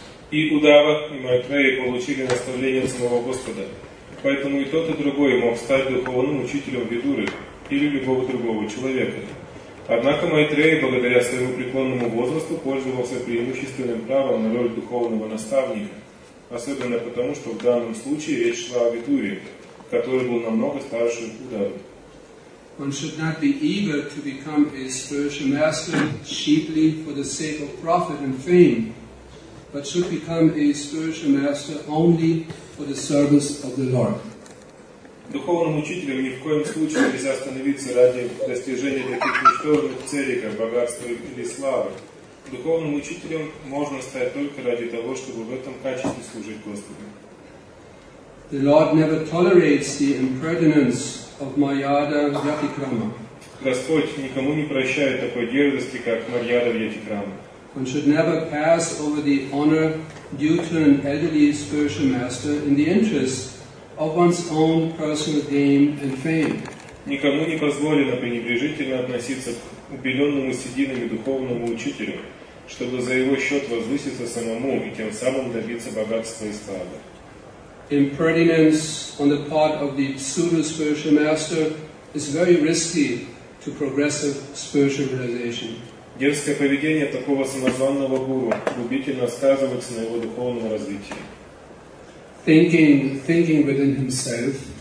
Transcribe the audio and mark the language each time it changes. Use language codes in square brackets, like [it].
[ru] И Удава и Майтрея получили наставление самого Господа, поэтому и тот и другой мог стать духовным учителем Видуры или любого другого человека. Однако Майтрея, благодаря своему преклонному возрасту, пользовался преимущественным правом на роль духовного наставника, особенно потому, что в данном случае речь шла о Видуре, который был намного старше Удавы. [en] One should not be eager to become a spiritual master cheaply for the sake of profit and fame, but should become a spiritual master only for the service of the Lord. [ru] Духовным учителем ни в коем случае нельзя становиться ради достижения таких ничтожных целей, как богатство или слава. Духовным учителем можно стать только ради того, чтобы в этом качестве служить Господу. [en] The Lord never tolerates the impertinence of Maryada Vyatikrama. [ru] Господь никому не прощает такой дерзости, как Maryada Vyatikrama. [en] One should never pass over the honor due to an elderly spiritual master in the interest of one's own personal gain and fame. [ru] Никому не позволено пренебрежительно относиться к убеленному сединами духовному учителю, чтобы за его счет возвыситься самому и тем самым добиться богатства и славы. [en] Impertinence on the part of the pseudo spiritual master is very risky to progressive spiritual realization. [ru] Дерзкое поведение такого самозванного гуру губительно сказывается на его духовном развитии. [en] Thinking within himself,